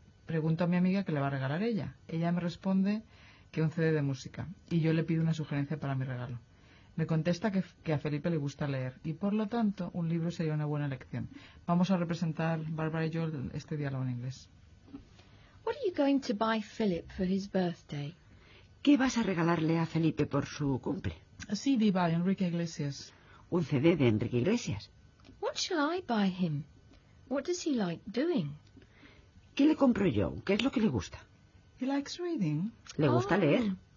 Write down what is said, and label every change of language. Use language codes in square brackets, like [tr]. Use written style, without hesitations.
[es] Pregunto a mi amiga qué le va a regalar ella. Ella me responde que un CD de música y yo le pido una sugerencia para mi regalo. Me contesta que a Felipe le gusta leer y, por lo tanto, un libro sería una buena elección. Vamos a representar, Barbara y yo, este diálogo en inglés. [en] What are you going to buy Philip for his birthday? [es] ¿Qué vas a regalarle a Felipe por su cumple? [en] A CD by Enrique Iglesias. [es] ¿Un CD de Enrique Iglesias? [en] What shall I buy him? What does he like doing? [es] ¿Qué le compro yo? ¿Qué es lo que le gusta? [en] He likes reading. [es] ¿Le gusta leer?